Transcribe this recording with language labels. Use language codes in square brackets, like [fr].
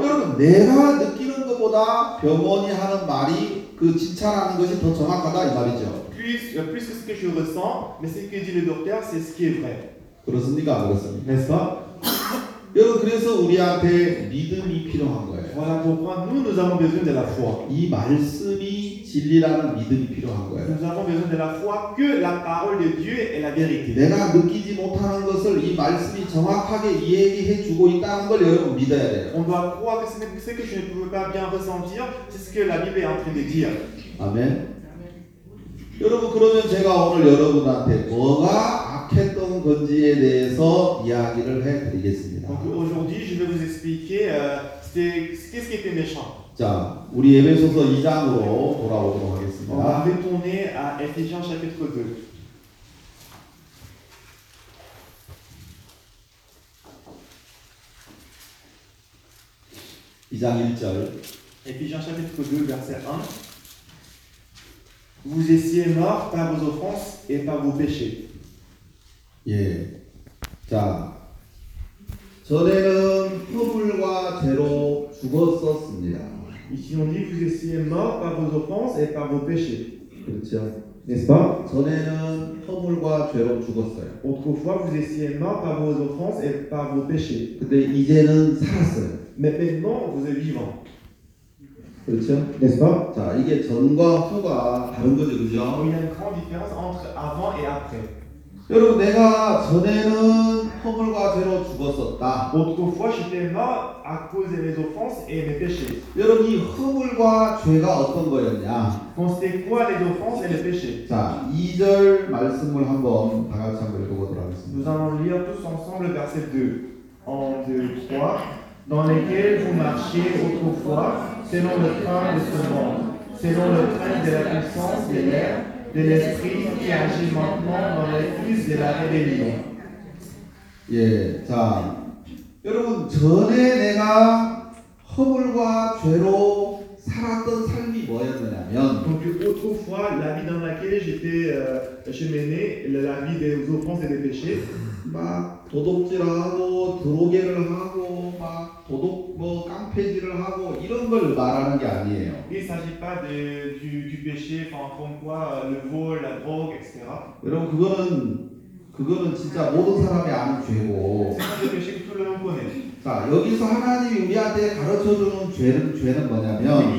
[ko] 여러분 내가 느끼는 것보다 병원이 하는 말이 그 진찰하는 것이 더 정확하다 이 말이죠. [fr] Plus que ce que je ressens, mais ce que dit le docteur, c'est ce qui est vrai. [ko] 그렇습니까, 안 그렇습니까? Yes, ma? 여러분 그래서 우리한테 믿음이 필요한 거예요. [fr] Voilà pourquoi nous avons besoin de la foi. [ko] 이 말씀이 진리라는 믿음이 필요한 거예요. [fr] Nous avons besoin de la foi que la parole de Dieu est la vérité. [ko] 내가 느끼지 못하는 것을 이 말씀이 정확하게 이해해 주고 있다는 걸 여러분 믿어야 돼요. [fr] On doit croire que ce que je ne pouvais pas bien ressentir, c'est ce que la Bible est en train de dire. Amen. [ko] 여러분 그러면 제가 오늘 여러분한테 뭐가 악했던 건지에 대해서 이야기를 해드리겠습니다. [fr] Aujourd'hui, je vais vous expliquer qu'est-ce qui était méchant. [ko] 자, 우리 에베소서 2장으로 돌아오도록 하겠습니다. [fr] On va retourner à Éphésiens chapitre 2. [ko] 2장 1절. [fr] Éphésiens chapitre 2, verset 1. Vous étiez morts par vos offenses et par vos péchés. [ko] 예. 자. 전에는 허물과 죄로 죽었었습니다. [fr] Ici on dit vous étiez morts par vos offenses et par vos péchés. [ko] 그렇죠. [fr] N'est-ce pas? [ko] 전에는 허물과 죄로 죽었어요. [fr] Autrefois vous étiez morts par vos offenses et par vos péchés. [ko] 근데 이제는 살았어요. [fr] Mais maintenant vous êtes vivant. [ko] 그렇죠? 됐어? 자, 이게 전과 후가 다른 거죠, 그죠? [fr] Il y a une grande différence entre avant et après. [ko] 여러분, 내가 전에는 허물과 죄로 죽었었다. [fr] Autrefois, j'étais mort à cause de mes offenses et mes péchés. [ko] 여러분, 이 허물과 죄가 어떤 거였냐? [fr] C'était quoi les offenses et les péchés? [ko] 자, 2절 말씀을 한번 다 같이 한번 읽어보도록 하겠습니다. [fr] Nous allons lire tous ensemble verset 2. 1, 2, 3. Dans lesquels vous marchiez autrefois, selon le train de ce monde, selon le train de la puissance de l'air, de l'esprit qui agit maintenant dans les fils de la rébellion. [ko] 예, 자, 여러분 전에 내가 허물과 죄로 살았던 삶이 뭐였느냐면, [fr] donc autrefois la vie dans laquelle j'étais cheminé, la vie des offenses et des péchés. [ko] 막 도둑질하고 드로게를 하고 막 도둑 뭐 깡패질을 하고 이런 걸 말하는 게 아니에요. [fr] Il s'agit pas de du péché, comme quoi le vol, la drogue, etc. [ko] 여러분 그거는 진짜 모든 사람이 아는 죄고. [fr] C'est [ko] 자 여기서 하나님이 우리한테 가르쳐 주는 죄는 뭐냐면.